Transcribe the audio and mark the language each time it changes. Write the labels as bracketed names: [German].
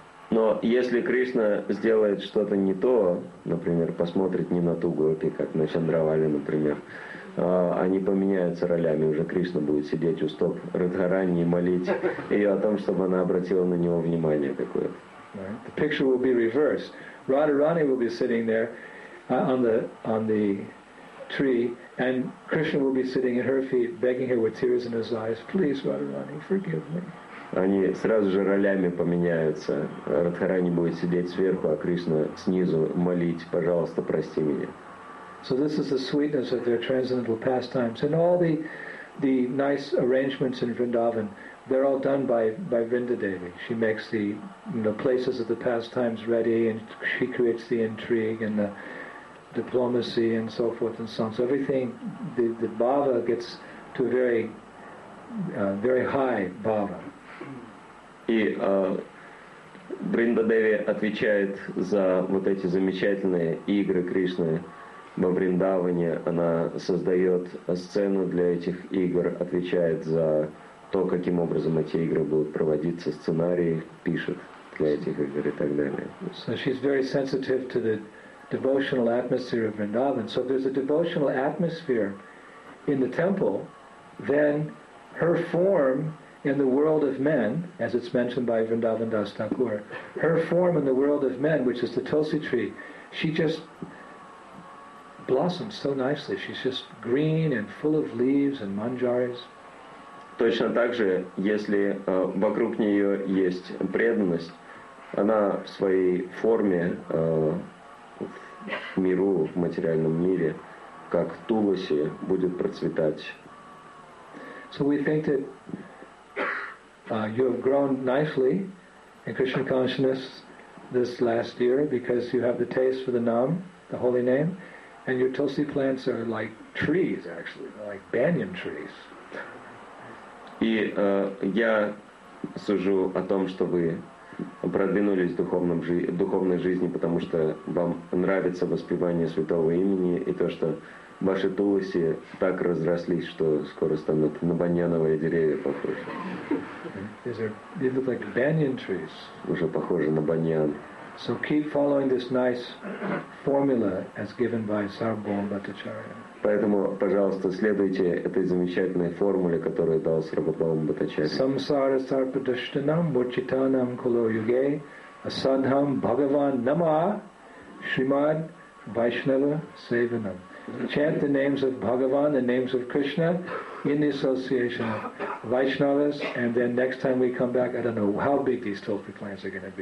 [Russian] Но если Кришна сделает что-то не то, например, посмотрит не на ту гопи, как на Чандравали, например, они поменяются ролями, уже Кришна будет сидеть у стоп Радхарани и молить ее о том, чтобы она обратила на него внимание какое-то. [English] The picture will be reversed. Radharani will be sitting there on the tree, and Krishna will be sitting at her feet, begging her with tears in his eyes, please, Radharani, forgive me. [Russian] Они сразу же ролями поменяются. Радхарани будет сидеть сверху, а Кришна снизу молить, пожалуйста, прости меня. [English] So this is the sweetness of their transcendental pastimes. And all the nice arrangements in Vrindavan, they're all done by Vrindadevi. She makes the, you know, places of the pastimes ready, and she creates the intrigue and the diplomacy and so forth and so on. So everything, the bhava gets to a very, very high bhava. [Russian] И Бриндадеви отвечает за вот эти замечательные игры Кришны во Вриндаване. Она создает сцену для этих игр, отвечает за то, каким образом эти игры будут проводиться, сценарии пишет для этих игр и так далее. [English] So she's very sensitive to the devotional atmosphere of Vrindavan. So if there's a devotional atmosphere in the temple, then her form in the world of men, as it's mentioned by Vrindavan Das Thakur, her form in the world of men, which is the Tulsi tree, she just blossoms so nicely. She's just green and full of leaves and manjaris. [Russian] Точно так же, если вокруг нее есть преданность, она в своей форме в миру, в материальном мире, как Туласи, будет процветать. [English] So we think that you have grown nicely in Krishna consciousness this last year because you have the taste for the Nam, the holy name, and your Tulsi plants are like trees, actually, like banyan trees. [Russian] И я сужу о том, что вы продвинулись в духовной жизни, потому что вам нравится воспевание святого имени, и то, что ваши туласи так разрослись, что скоро станут на баньяновые деревья похожи. [English] They look like banyan trees. [Russian] Уже похожи на баньян. [English] So keep following this nice formula as given by Sarvabhauma Bhattacharya. [Russian] Поэтому, пожалуйста, следуйте этой замечательной формуле, которую дал Сарвабхаума Бхаттачарья. [Sanskrit] Самсара сарпадаштанам мурчитанам кало юге асадхам бхагаван нама шримад вайшнава севанам. [English] Chant the names of Bhagavan, the names of Krishna in the association of Vaishnavas, and then next time we come back, I don't know how big these Tulsi plants are going to be.